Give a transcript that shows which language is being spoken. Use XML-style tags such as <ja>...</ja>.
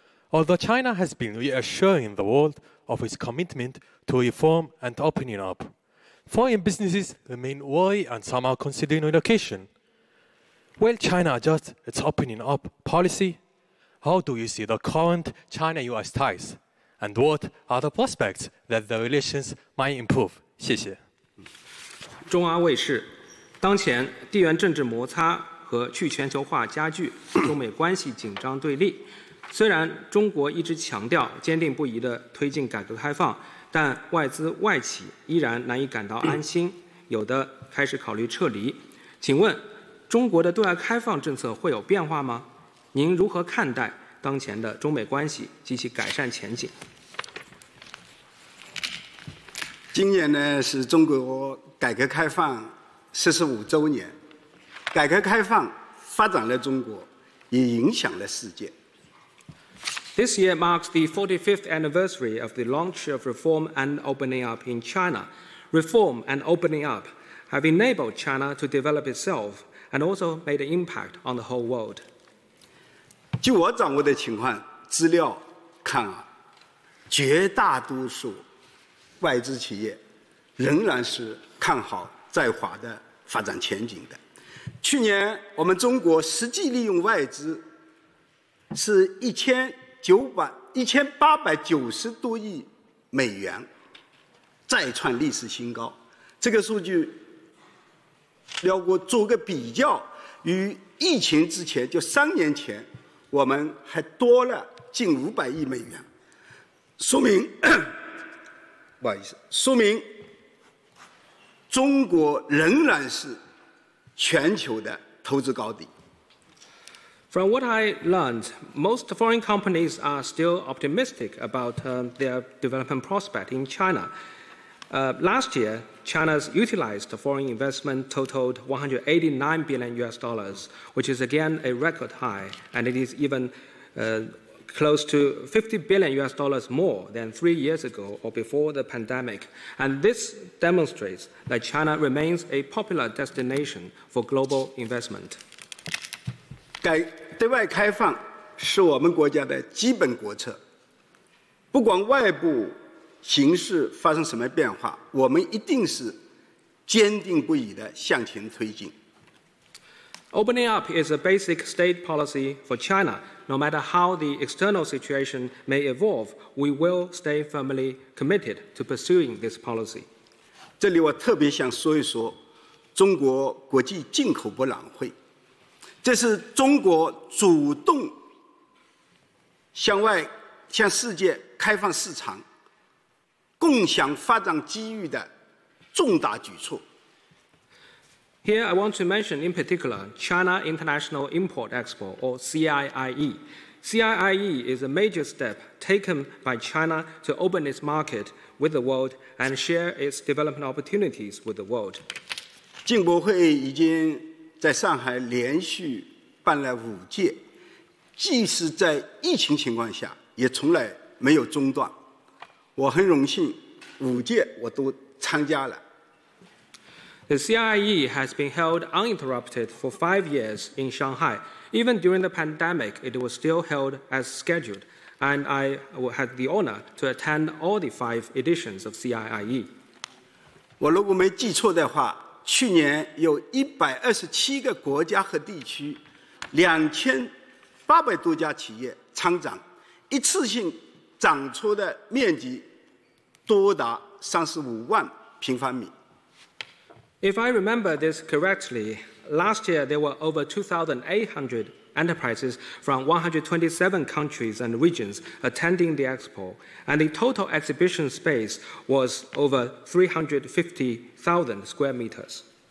<en>Although China has been reassuring the world of its commitment to reform and opening up, foreign businesses remain worried and some are considering relocation. Will China adjust its opening up policy? How do you see the current China-U.S. ties? And what are the prospects that the relations might improve?</en> <zh>谢谢。中央卫视，当前地缘政治摩擦和去全球化加剧，中美关系紧张对立。虽然中国一直强调坚定不移地推进改革开放，但外资外企依然难以感到安心，有的开始考虑撤离。请问，中国的对外开放政策会有变化吗？您如何看待当前的中美关系及其改善前景？今年呢，是中国改革开放45周年。改革开放发展了中国，也影响了世界。</zh> <en>This year marks the 45th anniversary of the launch of reform and opening up in China. Reform and opening up have enabled China to develop itself and also made an impact on the whole world.</en> <zh>据我掌握的情况资料看啊，绝大多数外资企业仍然是看好在华的发展前景的。去年我们中国实际利用外资是1890多亿美元，再创历史新高。这个数据要我做个比较，与疫情之前就三年前我们还多了近500亿美元，说明不好意思，说明中国仍然是全球的投资高地。</zh> <en>From what I learned, most foreign companies are still optimistic about their development prospect in China. Last year, China's utilized foreign investment totaled $189 billion, which is again a record high, and it is even close to $50 billion more than 3 years ago or before the pandemic. And this demonstrates that China remains a popular destination for global investment.</en> <zh>对外开放是我们国家的基本国策，不管外部形势发生什么变化，我们一定是坚定不移地向前推进。</zh> <en>Opening up is a basic state policy for China. No matter how the external situation may evolve, we will stay firmly committed to pursuing this policy.</en> <zh>这里我特别想说一说中国国际进口博览会，这是中国主动向外向世界开放市场、共享发展机遇的重大举措。</zh> <en>Here I want to mention in particular China International Import Expo, or CIIE. CIIE is a major step taken by China to open its market with the world and share its development opportunities with the world.</en> <zh>进博会已经在上海连续办了5届，即使在疫情情况下也从来没有中断。我很荣幸5届我都参加了。</zh> <en>The CIIE has been held uninterrupted for 5 years in Shanghai. Even during the pandemic, it was still held as scheduled, and I had the honor to attend all the 5 editions of CIIE.</en> <zh>我如果没记错的话，去年有127个国家和地区，2800多家企业参展，一次性展出的面积多达35万平方米。</zh> <en>If I remember this correctly, last year there were over 2,800 enterprises from 127 countries and regions attending the expo, and the total exhibition space was over 350,000 square meters.</en>